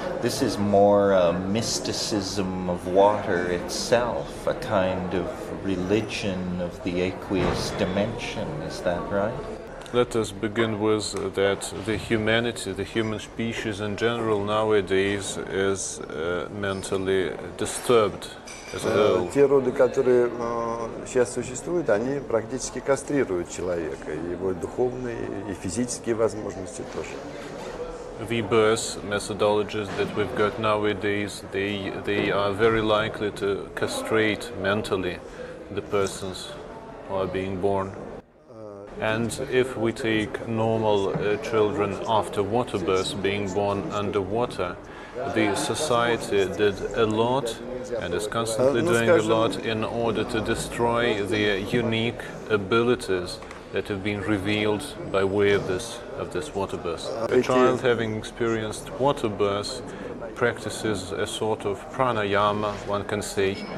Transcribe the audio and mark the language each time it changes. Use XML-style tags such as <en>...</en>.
<en>This is more a mysticism of water itself, a kind of religion of the aqueous dimension, is that right? Let us begin with that the humanity, the human species in general nowadays is mentally disturbed.</en> <ru>Те роды, которые сейчас существуют, они практически кастрируют человека, его духовные и физические возможности тоже.</ru> <en>The birth methodologies that we've got nowadays, they are very likely to castrate mentally the persons who are being born. And if we take normal children after water birth, being born underwater, the society did a lot and is constantly doing a lot in order to destroy their unique abilities that have been revealed by way of this water birth. A child having experienced water birth practices a sort of pranayama, one can say.</en>